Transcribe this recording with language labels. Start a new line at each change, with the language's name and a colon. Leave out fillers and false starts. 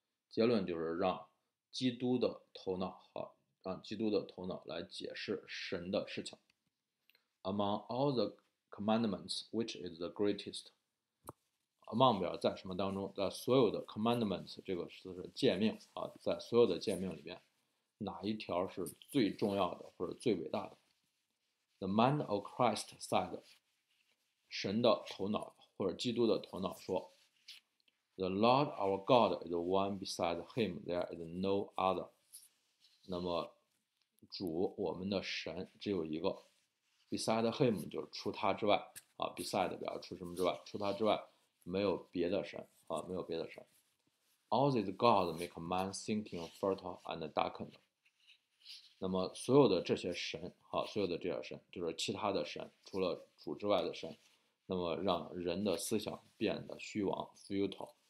Chinese: 结论就是让基督的头脑，好，让基督的头脑来解释神的事情。
English: Among all the commandments, which is the greatest?
Chinese: Among 表在什么当中？在所有的 commandments 这个词是诫命啊，在所有的诫命里面，哪一条是最重要的或者最伟大的？
English: The mind of Christ said，
Chinese: 神的头脑或者基督的头脑说。
English: The Lord our God is one beside Him, there is no other.
Chinese: 那么主我们的神只有一个。
English: Beside Him
Chinese: 就是除他之外啊 ,beside 表示除什么之外，除他之外没有别的神啊，没有别的神。
English: All these gods make a man thinking fertile and darkened.
Chinese: 那么所有的这些神啊，所有的这些神就是其他的神，除了主之外的神，那么让人的思想变得虚妄 ,futile。